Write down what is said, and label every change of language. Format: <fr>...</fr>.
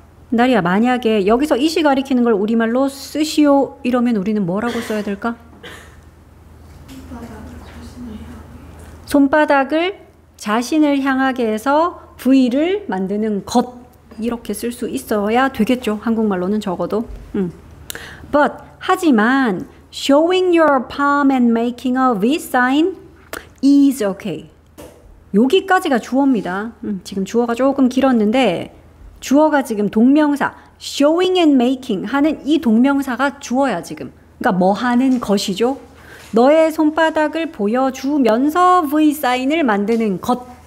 <ko>나리야, 만약에 여기서 이시 가리키는 걸 우리말로 쓰시오 이러면 우리는 뭐라고 써야 될까? 손바닥을 자신을 향하게 해서 V를 만드는 것, 이렇게 쓸 수 있어야 되겠죠. 한국말로는 적어도.</ko> <en>But</en> <ko>하지만</ko> <en>showing your palm and making a V sign is okay.</en> <ko>여기까지가 주어입니다. 지금 주어가 조금 길었는데 주어가 지금 동명사</ko> <en>showing and making</en> <ko>하는 이 동명사가 주어야 지금. 그러니까 뭐 하는 것이죠? 너의 손바닥을 보여주면서 V사인을 만드는 것.</ko>